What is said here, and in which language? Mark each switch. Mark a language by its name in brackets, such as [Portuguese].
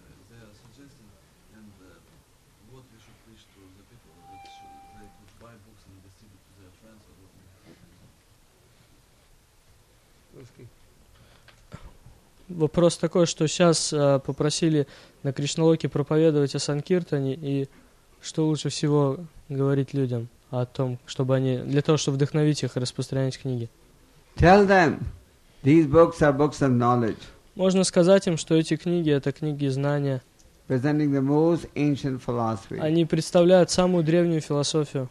[English] They are suggesting, and what we should preach to the people, that should, they could buy books and distribute to their friends or whatever. [Russian] Русский. Вопрос такой, что сейчас попросили на Кришналоке проповедовать о Санкиртане, и что лучше всего говорить людям о том, чтобы они, для того, чтобы вдохновить их распространять книги. [English] Tell them, these books are books of knowledge. [Russian] Можно сказать им, что эти книги – это книги знания. [English] Presenting the most ancient philosophy. [Russian] Они представляют самую древнюю философию.